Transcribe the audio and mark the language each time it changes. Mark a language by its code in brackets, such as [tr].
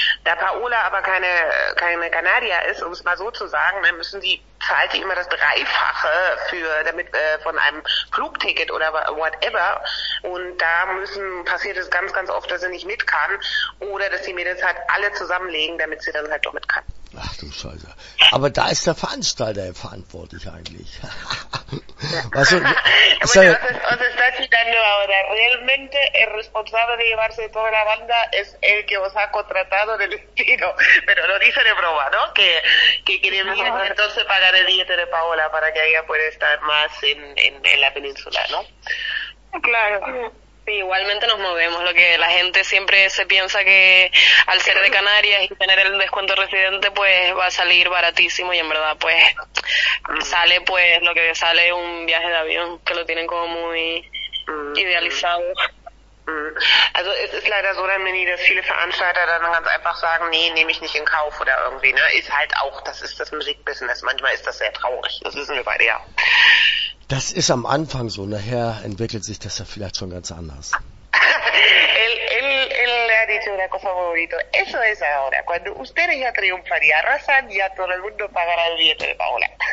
[de] Da Paola aber keine Kanadier ist, um es mal so zu sagen, dann müssen sie zahlt sie immer das Dreifache damit von einem Flugticket oder whatever, und da passiert es ganz, ganz oft, dass sie nicht mit kann oder dass die Mädels halt alle zusammenlegen, damit sie dann halt doch mit kann. Ach du Scheiße. Aber da ist der Veranstalter verantwortlich eigentlich. Weißt du, was [es] está citando ahora? Realmente el responsable de llevarse toda la banda es el que os ha contratado del destino. Pero lo dice de broma, ¿no? Que quería entonces pagar el billete de Paola para que ella pueda estar más en la península, ¿no? Claro. Igualmente nos movemos, lo que la gente siempre se piensa que al ser de Canarias y tener el descuento residente pues va a salir baratísimo, y en verdad pues sale, pues lo que sale es un viaje de avión, que lo tienen como muy idealizado. [de] Also es ist leider so, dann, Mini, dass viele Veranstalter dann ganz einfach sagen, nee, nehme ich nicht in Kauf oder irgendwie, ne? Ist halt auch, das ist das Musikbusiness. Manchmal ist das sehr traurig, das wissen wir beide ja. Das ist am Anfang so, nachher entwickelt sich das ja vielleicht schon ganz anders. [es] Él ha dicho una cosa muy bonito. Eso es ahora. Cuando ustedes ya triunfan y arrasan, ya todo el mundo pagará el billete de Paola.